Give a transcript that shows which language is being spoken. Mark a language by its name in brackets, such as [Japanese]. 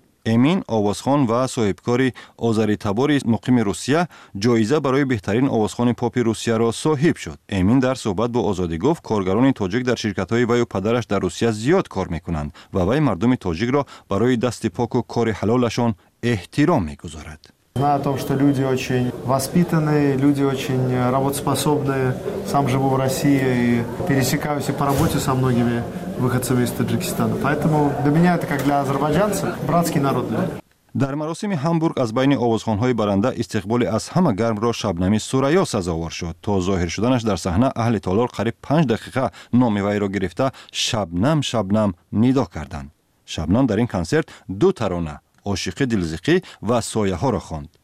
[Persian] امین آوازخان و صاحبکار آذری تبار مقیم روسیه جایزه برای بهترین آوازخان پاپ روسیه را صاحب شد. امین در صحبت با آزادی گفت کارگران تاجیک در شرکت‌های وی و پدرش در روسیه زیاد کار میکنند و وی مردم تاجیک را برای دست پاک و کار حلالشان احترام میگذارد. [Russian] Знаю о том, что люди очень воспитанные, люди очень работоспособные. Сам живу в России и пересекаюсь и по работе со многими выходцами из Таджикистана. Поэтому для меня это, как для азербайджанцев, братский народ. [Tajik] Дар маросими Ҳамбург аз байни овозхонҳои баранда истиқболи аз ҳама гармро Шабнами Сурайё сазовор шуд. То зоҳир шуданаш дар саҳна аҳли толор қариб 5 дақиқа номи вайро гирифта Шабнам Шабнам нидо карданд. Шабнам дар ин консерт ду тарона Ошиқи дилзиқӣ ва Сояҳоро хонд.